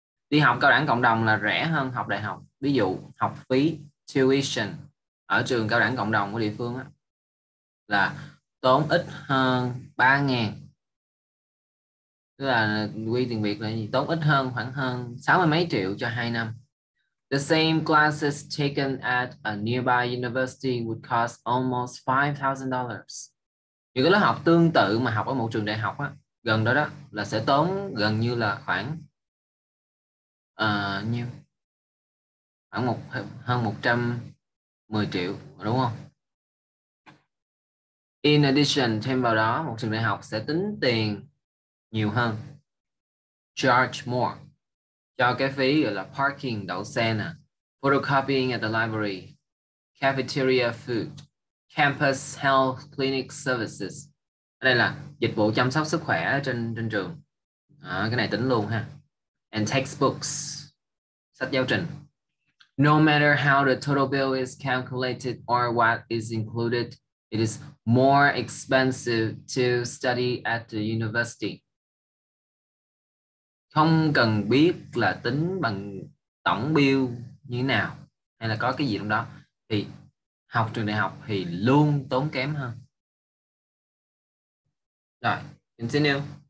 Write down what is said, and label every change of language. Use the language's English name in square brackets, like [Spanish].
[Vietnamese] Đi học cao đẳng cộng đồng là rẻ hơn học đại học. Ví dụ, học phí tuition ở trường cao đẳng cộng đồng của địa phương là tốn ít hơn 3,000. Tức là quy tiền Việt là gì? Tốn ít hơn khoảng hơn 60 mấy triệu cho 2 năm. [English] The same classes taken at a nearby university would cost almost $5,000. [Vietnamese] Những cái lớp học tương tự mà học ở một trường đại học á, gần đó đó là sẽ tốn gần như là khoảng nhiêu? Khoảng hơn 110 triệu, đúng không? [English] In addition, [Vietnamese] thêm vào đó, một trường đại học sẽ tính tiền nhiều hơn, [English] charge more [Vietnamese] cho cái phí gọi là parking, đậu xe nè, [English] photocopying at the library, cafeteria food, campus health clinic services. [Vietnamese] Đây là dịch vụ chăm sóc sức khỏe trên trường à, cái này tính luôn ha. [English] And textbooks, [Vietnamese] sách giáo trình. [English] No matter how the total bill is calculated or what is included, it is more expensive to study at the university. [Vietnamese] Không cần biết là tính bằng tổng bill như thế nào hay là có cái gì trong đó thì học trường đại học thì luôn tốn kém hơn. Rồi, continue.